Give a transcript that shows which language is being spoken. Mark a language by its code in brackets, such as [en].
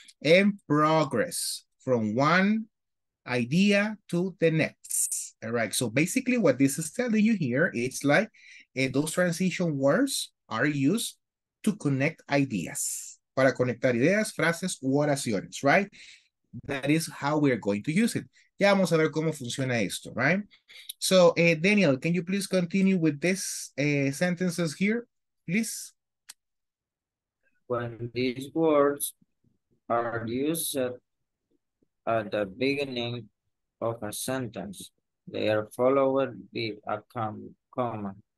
[en] And progress from one idea to the next. All right. So basically what this is telling you here, it's like those transition words are used to connect ideas. [es] Para conectar ideas, frases, oraciones, [en] right? That is how we're going to use it. [es] Ya vamos a ver cómo funciona esto, right? [en] So Daniel, can you please continue with this sentences here, please? When these words are used at the beginning of a sentence, they are followed by a comma.